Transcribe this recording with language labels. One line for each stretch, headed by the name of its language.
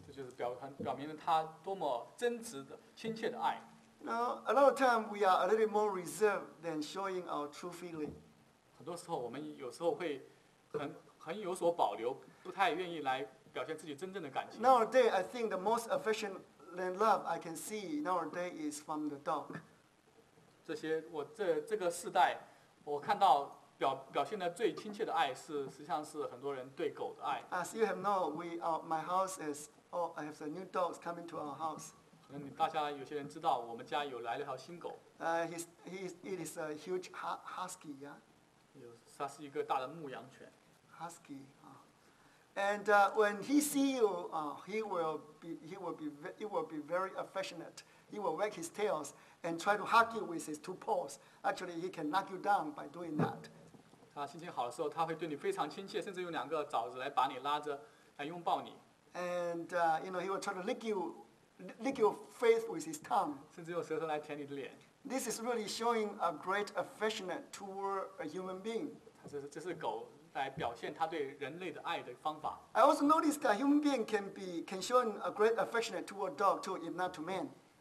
Chinese: 这就是表明了他多么真挚的亲切的爱。
English: Now, a lot of time we are a little more reserved than showing our true feeling.
Chinese: 很多时候我们有时候会很有所保留，不太愿意来表现自己真正的感情。
English: Nowadays, I think the most affectionate love I can see nowadays is from the dog.
Chinese: 这些我这个世代，我看到表现的最亲切的爱是，实际上是很多人对狗的爱。
English: As you have known, my house is, I have the new dogs coming to our house.
Chinese: 可能大家有些人知道，我们家有来了条新狗。
English: It is a huge husky, yeah.
Chinese: 它是一个大的牧羊犬。
English: Husky, And when he see you, he will be very affectionate. He will wag his tails. And try to hug you with his two paws. Actually, he can knock you down by doing that.
Chinese: 他心情好的时候，他会对你非常亲切，甚至用两个爪子来把你拉着，来拥抱你。
English: And he will try to lick your face with his tongue.
Chinese: 甚至用舌头来舔你的脸。
English: This is really showing a great affectionate toward a human being.
Chinese: 这是狗来表现他对人类的爱的方法。
English: I also noticed that human being can show a great affectionate toward dog too, if not to man.